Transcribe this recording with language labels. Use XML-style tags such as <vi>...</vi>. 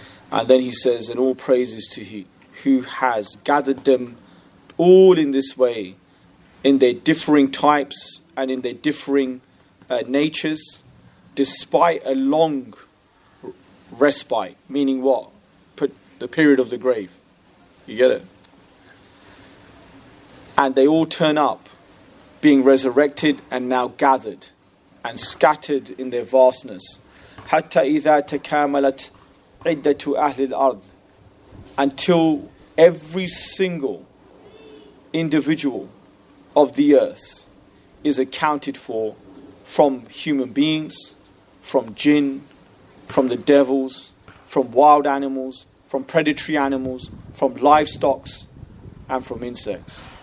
<en>And then he says, and all praises to he who has gathered them all in this way, in their differing types and in their differing natures, despite a long respite, meaning what? Put the period of the grave. You get it? And they all turn up, being resurrected and now gathered and scattered in their vastness.</en> <ar>حتى إذا تكاملت عدة أهل الأرض.</ar> <en>Until every single individual of the earth is accounted for, from human beings, from jinn, from the devils, from wild animals, from predatory animals, from livestock, and from insects.</en>